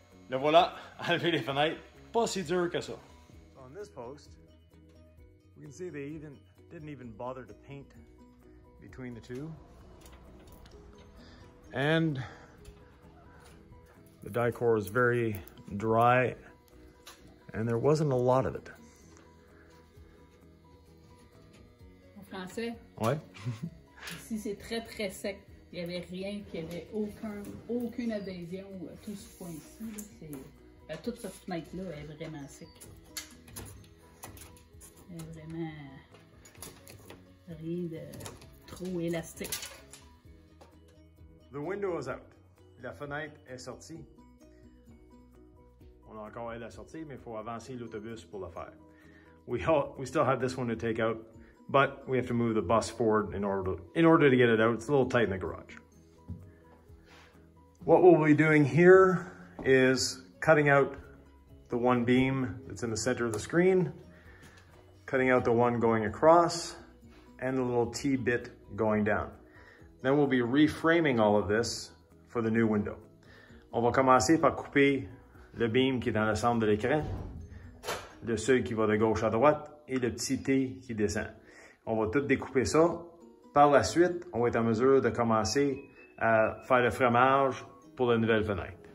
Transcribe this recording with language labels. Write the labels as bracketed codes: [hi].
[fr] Le voilà, enlever les fenêtres, pas si dur que ça. [en] On this post, we can see they even didn't even bother to paint between the two. And the die core is very dry and there wasn't a lot of it. [fr] En français? Ouais. Ici c'est très très sec. Il n'y avait rien, puis il n'y avait aucune adhésion à tout ce point-ci. Là, à toute cette fenêtre-là est vraiment sec. Elle est vraiment rien de trop élastique. [en] The window is out. [fr] La fenêtre est sortie. On a encore elle à sortir, mais il faut avancer l'autobus pour le faire. [en] We still have this one to take out. But we have to move the bus forward in order to get it out. It's a little tight in the garage. What we'll be doing here is cutting out the one beam that's in the center of the screen, cutting out the one going across, and the little T-bit going down. Then we'll be reframing all of this for the new window. [fr] On va commencer par couper le beam qui est dans le centre de l'écran, le seuil qui va de gauche à droite, et le petit T qui descend. On va tout découper ça. Par la suite, on va être en mesure de commencer à faire le fromage pour la nouvelle fenêtre.